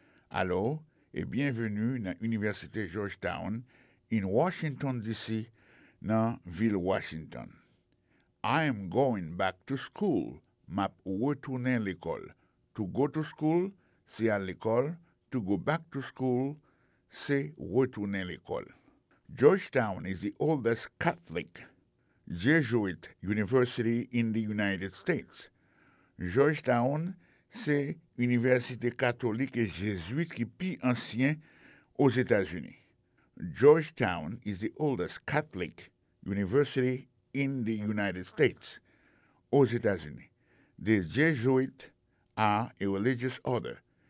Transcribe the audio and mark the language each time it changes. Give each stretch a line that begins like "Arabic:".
French: Allô et bienvenue dans l'Université Georgetown in Washington, D.C., dans Ville Washington.
English: I am going back to school.
French: M'a retourné à l'école.
English: To go to school,
French: c'est à l'école.
English: To go back to school,
French: c'est retourné à l'école.
English: Georgetown is the oldest Catholic Jesuit University in the United States.
French: Georgetown, c'est université catholique et jésuite qui plus ancien aux États-Unis.
English: Georgetown is the oldest Catholic university in the United States,
French: aux États-Unis.
English: The Jesuits are a religious order.